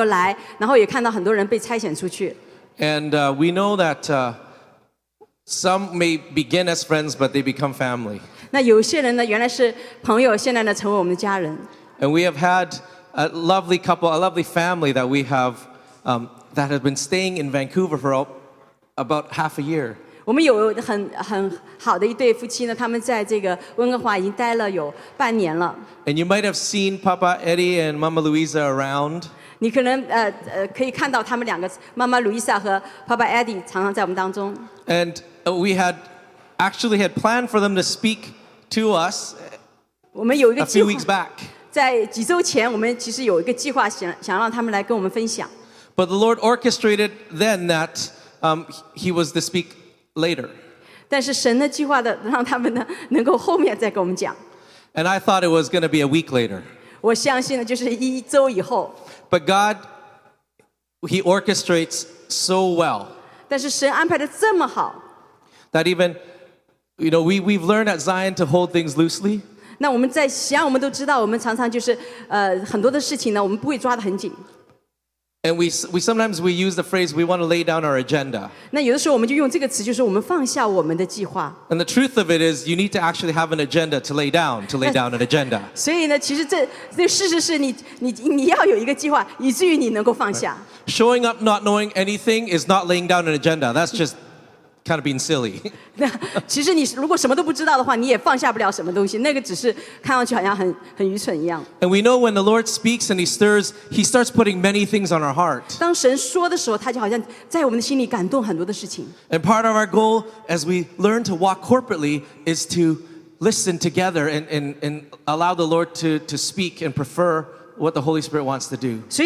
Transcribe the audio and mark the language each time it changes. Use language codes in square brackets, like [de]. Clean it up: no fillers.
[zh] 所以我们就看到很正常看到常常有朋友来，然后也看到很多人被差遣出去。 [en] And we know that. Some may begin as friends, but they become family. [zh] 那有些人呢, 原来是朋友, 现在呢, [en] and we have had a lovely couple, a lovely family that we have that has been staying in Vancouver for about half a year. [zh] 我们有很好的一对夫妻呢, [en] and you might have seen Papa Eddie and Mama Louisa around. [zh] 你可能可以看到他们两个, Mama Louisa 和 Papa Eddie 常常在我们当中。 [en] And we had actually had planned for them to speak to us a few weeks back. [zh] 在几周前, 我们其实有一个计划, 想让他们来跟我们分享。 [en] But the Lord orchestrated then that he was to speak later. [zh] 但是神的计划的, 让他们呢, 能够后面再跟我们讲。 [en] And I thought it was going to be a week later. [zh] 我相信的就是一周以后。 [en] But God, he orchestrates so well. [zh] 但是神安排得这么好, [en] that even, you know, we've learned at Zion to hold things loosely. [zh] 那我们在西安我们都知道我们常常就是, 很多的事情呢, 我们不会抓得很紧。 [en] And we sometimes use the phrase, we want to lay down our agenda. [zh] 那有的时候我们就用这个词, 就是我们放下我们的计划。 [en] And the truth of it is, you need to actually have an agenda to lay down an agenda. [zh] 所以呢, 其实这, 事实是你要有一个计划, 以至于你能够放下。 [en] Right. Showing up not knowing anything is not laying down an agenda. That's just kind of being silly. [zh] 其实你如果什么都不知道的话，你也放下不了什么东西。那个只是看上去好像很愚蠢一样。 [en] And we know when the Lord speaks and He stirs, He starts putting many things on our heart. [zh] 当神说的时候，他就好像在我们的心里感动很多的事情。 [en] And part of our goal as we learn to walk corporately is to listen together and allow the Lord to speak and prefer what the Holy Spirit wants to do.